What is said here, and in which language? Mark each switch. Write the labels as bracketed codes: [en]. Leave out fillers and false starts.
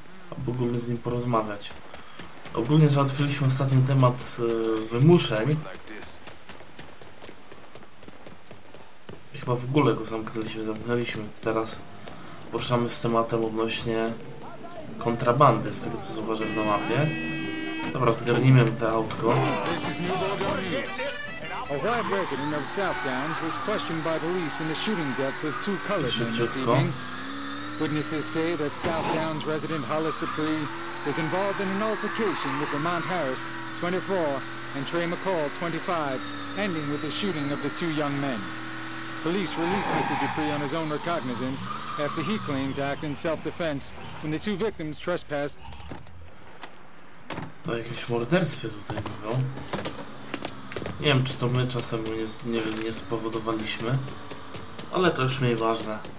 [pl] A mógłbym z nim porozmawiać. Ogólnie załatwiliśmy ostatnio temat wymuszeń. Chyba w ogóle go zamknęliśmy. Teraz poruszamy z tematem odnośnie kontrabandy, z tego co zauważyłem na mapie. Dobra, zgarnijmy te autko. [en] A white resident of South Downs was questioned by police in the shooting deaths of two colored men this evening. Witnesses say that South Downs resident Hollis Dupree was involved in an altercation with Vermont Harris, 24, and Trey McCall, 25, ending with the shooting of the two young men. Police released Mr. Dupree on his own recognizance after he claimed to act in self-defense when the two victims trespassed. [pl] To jakieś morderstwo tutaj było. Nie wiem, czy to my czasem nie spowodowaliśmy, ale to już mniej ważne.